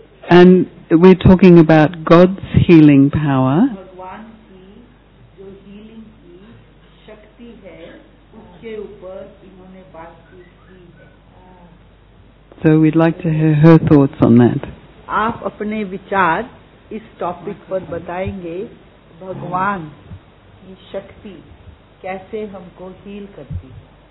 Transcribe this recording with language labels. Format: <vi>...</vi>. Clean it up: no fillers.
<en>And we're talking about God's healing power.</en> <hi>भगवान की जो healing की शक्ति है उसके ऊपर इन्होंने बात की है.</hi> <en>So we'd like to hear her thoughts on that.</en> <hi>आप अपने विचार इस टॉपिक पर बताएंगे भगवान की शक्ति कैसे हमको हील करती है.</hi>